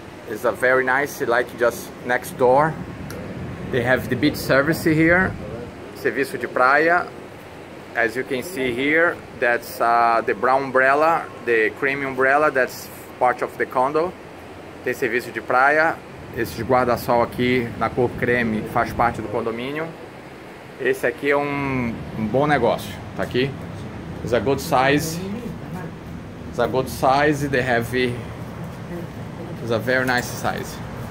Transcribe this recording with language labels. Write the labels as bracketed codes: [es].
[en] It's a very nice, like just next door. They have the beach service here. [pt] Serviço de praia. [en] As you can see here, that's the brown umbrella, the cream umbrella, that's part of the condo. [pt] Tem serviço de praia. Esse guarda-sol aqui na cor creme faz parte do condomínio. Esse aqui é um bom negócio, tá aqui. [en] It's a good size. It's a good size, they have... It's a very nice size.